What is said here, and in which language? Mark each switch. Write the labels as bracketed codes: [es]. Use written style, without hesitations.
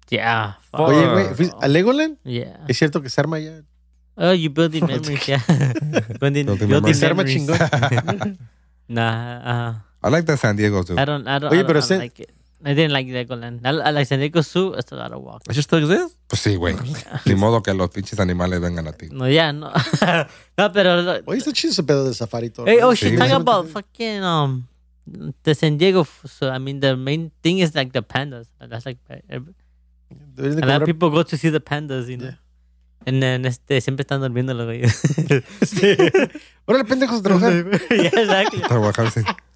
[en] Yeah. [es] Far. Oye, güey, ¿a Legoland? [en] Yeah. [es] ¿Es cierto que se arma ya? [en] Oh, you build the memories, yeah. [es] building se arma chingón. [en] Nah. I like the San Diego too. [es] Oye, pero [en] I don't like it. I didn't like Legoland. I like San Diego Zoo. It's a lot of walk. It just took this? [es] Pues sí, güey. Ni modo que los pinches animales vengan a ti. No, ya, no. No, pero... Oye, está chido ese pedo de safari todo. [en] Hey, oh, she's talking about fucking... the San Diego... So, I mean, the main thing is like the pandas. That's like... A lot of people go to see the pandas, you know. Yeah. And then, [es] siempre están durmiendo los güeyes. Sí. Bueno, los pendejos trabajan. [en] Yeah, exactly. [es] Trabajan, sí.